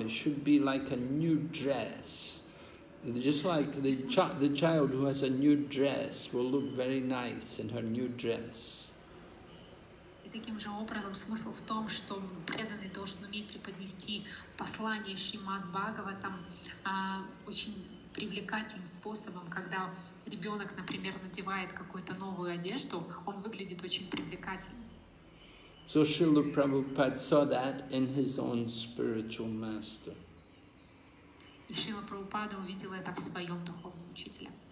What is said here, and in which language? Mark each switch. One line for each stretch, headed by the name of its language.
English: It should be like a new dress. Just like the child who has a new dress will look very nice in her new dress.
Russian: Таким же образом, смысл в том, что преданный должен уметь преподнести послание Шримад Бхагаватам очень привлекательным способом, когда ребенок, например, надевает какую-то новую одежду, он выглядит очень привлекательно.
English: So Srila Prabhupada saw that in his own spiritual master.
Russian: И Шрила Прабхупада увидел это в своем духовном учителе.